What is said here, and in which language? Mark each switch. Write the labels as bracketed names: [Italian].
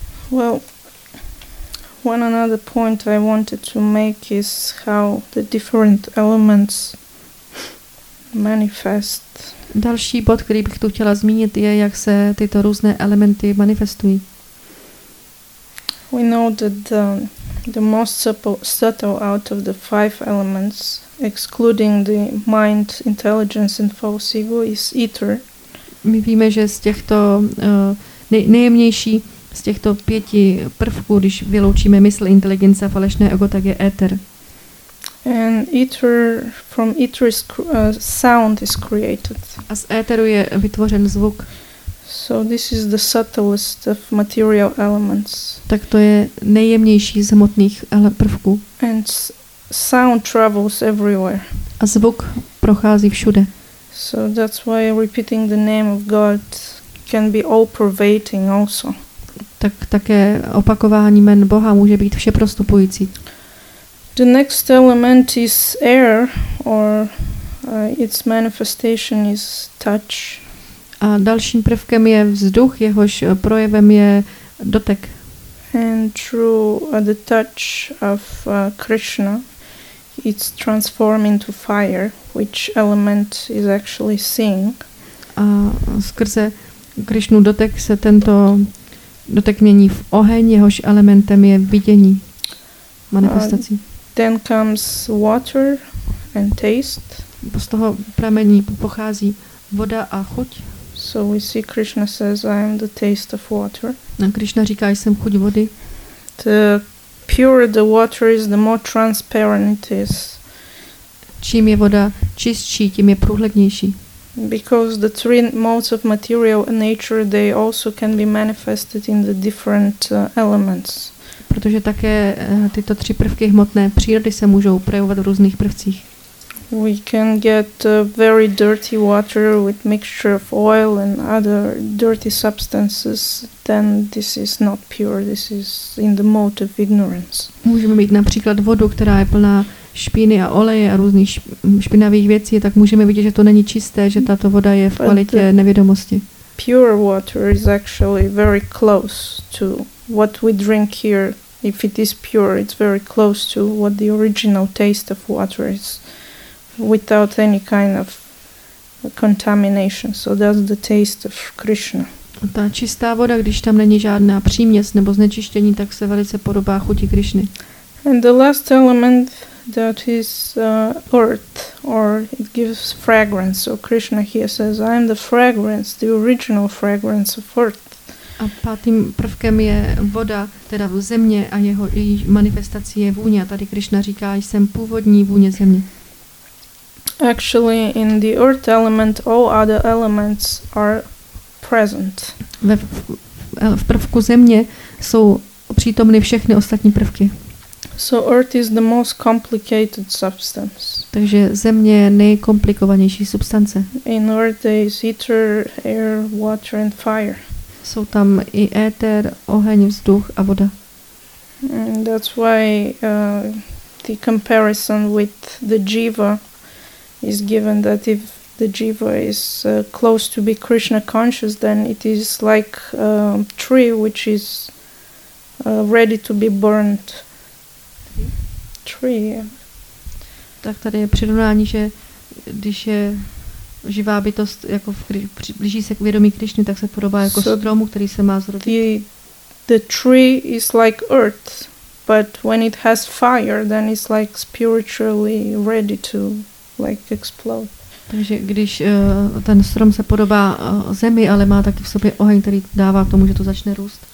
[English] Well, one another point I wanted to make is how the different elements manifest. [Czech] Další bod, který bych tu chtěla zmínit, je, jak se tyto různé elementy manifestují. [English] We know that the most subtle out of the five elements, excluding the mind, intelligence and false ego, is ether. [Czech] My víme, že z těchto nejjemnější z těchto pěti prvků, když vyloučíme mysl, inteligence a falešné ego, tak je éter. [English] And ether, from ether is sound is created. [Czech] A z éteru je vytvořen zvuk. [English] So this is the subtlest of material elements. [Czech] Tak to je nejjemnější z hmotných prvků. [English] And sound travels everywhere. [Czech] A zvuk prochází všude. [English] So that's why repeating the name of God can be all pervading also. [Czech] Tak také opakování jmen Boha může být všeprostupující. [English] The next element is air, or its manifestation is touch. [Czech] A dalším prvkem je vzduch, jehož projevem je dotek. [English] And through the touch of Krishna, it's transformed into fire, which element is actually seeing. [Czech] A skrze Krishnu dotek se tento dotek mění v oheň, jehož elementem je vidění, manifestací. [English] Then comes water and taste. [Czech] Z toho pramení pochází voda a chuť. [English] So we see Krishna says, I am the taste of water. [Czech] A Krishna říká, jsem chuť vody. [English] The purer the water is, the more transparent it is. [Czech] Čím je voda čistší, tím je průhlednější. [English] Because the three modes of material and nature, they also can be manifested in the different elements. [Czech] Protože také tyto tři prvky hmotné přírody se můžou projevovat v různých prvcích. [English] We can get very dirty water with mixture of oil and other dirty substances, then this is not pure, this is in the mode of ignorance. [Czech] Můžeme mít například vodu, která je plná špíny a oleje a různých špinavých věcí, tak můžeme vidět, že to není čisté, že tato voda je v kvalitě nevědomosti. [English] Pure water is actually very close to what we drink here. If it is pure, it's very close to what the original taste of water is, without any kind of contamination. So that's the taste of Krishna. [Czech] A ta čistá voda, když tam není žádná příměs nebo znečištění, tak se velice podobá chuti Krishny. [English] And the last element, that is earth, or it gives fragrance. So Krishna here says, I am the fragrance, the original fragrance of earth. [Czech] A pátým prvkem je voda, teda v země, a jeho její manifestací je vůně. A tady Krishna říká, jsem původní vůně země. [English] Actually, in the earth element, all other elements are present. [Czech] V prvku země jsou přítomny všechny ostatní prvky. [English] So earth is the most complicated substance. [Czech] Takže země je nejkomplikovanější substance. [English] In earth is ether, air, water and fire. [Czech] Jsou tam i éter, oheň, vzduch a voda. [English] And that's why the comparison with the jiva is given, that if the jiva is close to be Krishna conscious, then it is like a tree which is ready to be burnt. [Czech] Tak tady je přirovnání, že když je živá bytost jako blíží se k vědomí Krišny, tak se podobá jako stromu, který se má zrodit. [English] The tree is like earth, but when it has fire, then it's like spiritually ready to like explode. [Czech] Takže když ten strom se podobá zemi, ale má taky v sobě oheň, který dává k tomu, že to začne růst.